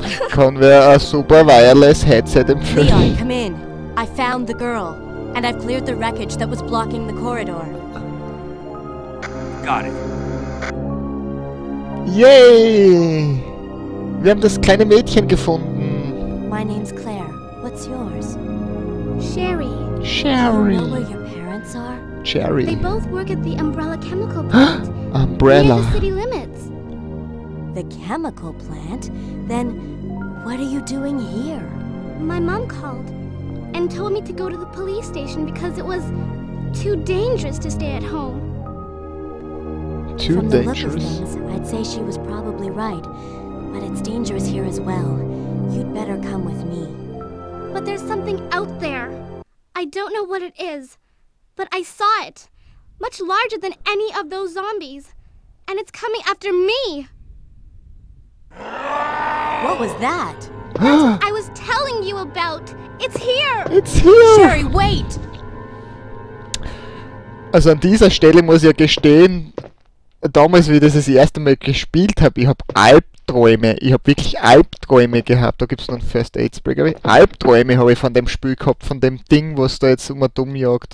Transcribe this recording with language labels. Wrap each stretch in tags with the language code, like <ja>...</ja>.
<de>Können wir ein super wireless Headset empfehlen?</de> <en>Leon, come in. I found the girl, and I've cleared the wreckage that was blocking the corridor. Got it. Yay!</en> <de>Wir haben das kleine Mädchen gefunden.</de> <en>My name's Claire. What's yours? Cherry. Do you know where your parents are? Cherry. They both work at the Umbrella Chemical Plant. Umbrella. Near the city limits. The chemical plant? Then what are you doing here? My mom called and told me to go to the police station because it was too dangerous to stay at home. Too From dangerous? The look of things, I'd say she was probably right. But it's dangerous here as well. You'd better come with me. But there's something out there. I don't know what it is, but I saw it. Much larger than any of those zombies. And it's coming after me! What was that? That's what I was telling you about! It's here! It's here! Sherry, wait!</en> <de>Also an dieser Stelle muss ich ja gestehen, damals, wie ich das erste Mal gespielt habe, ich habe Albträume. Ich habe wirklich Albträume gehabt. Da gibt es noch einen First Aid Spray, glaube ich. Albträume habe ich von dem Spiel gehabt, von dem Ding, was da jetzt immer dumm jagt.</de>